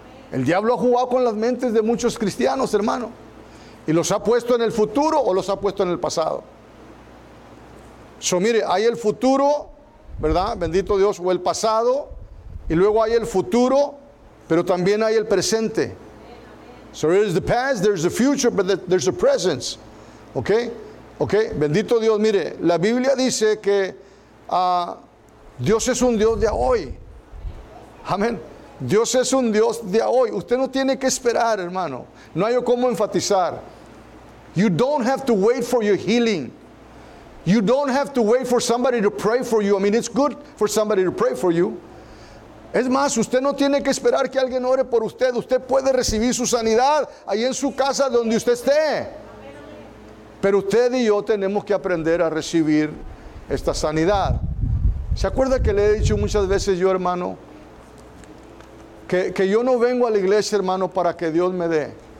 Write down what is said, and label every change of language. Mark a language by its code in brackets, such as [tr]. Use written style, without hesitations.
[es] El diablo ha jugado con las mentes de muchos cristianos, hermano. Y los ha puesto en el futuro o los ha puesto en el pasado. So, mire, hay el futuro, ¿verdad? Bendito Dios, o el pasado. Y luego hay el futuro, pero también hay el presente. [en] So, there's the past, there's the future, but there's the presence. [es] ¿Ok? ¿Ok? Bendito Dios, mire, la Biblia dice que Dios es un Dios de hoy. Amén. Dios es un Dios de hoy. Usted no tiene que esperar, hermano. No hay cómo enfatizar. [en] You don't have to wait for your healing. You don't have to wait for somebody to pray for you. I mean, it's good for somebody to pray for you. [es] Es más, usted no tiene que esperar que alguien ore por usted. Usted puede recibir su sanidad ahí en su casa donde usted esté. Pero usted y yo tenemos que aprender a recibir esta sanidad. ¿Se acuerda que le he dicho muchas veces yo, hermano, que yo no vengo a la iglesia, hermano, para que Dios me dé?